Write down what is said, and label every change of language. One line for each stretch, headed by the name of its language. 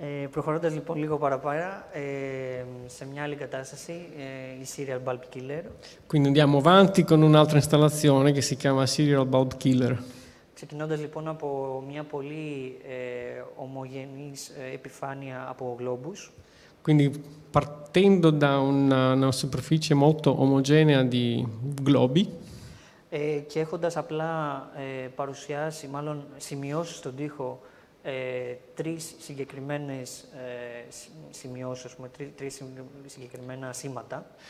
Greek: Προχωρώντας λοιπόν λίγο παραπέρα, σε μια άλλη κατάσταση, η Serial Bulb Killer.
Italian: Quindi andiamo avanti con un'altra installazione che si chiama Serial Bulb Killer.
Greek: Ξεκινώντας λοιπόν από μια πολύ ομογενής επιφάνεια από Globus.
Italian: Quindi partendo da una superficie molto omogenea di globi.
Greek: Και έχοντας απλά παρουσιάσει, μάλλον σημειώσει στον τοίχο, τρεις συγκεκριμένες σημειώσεις, τρεις συγκεκριμένα σήματα.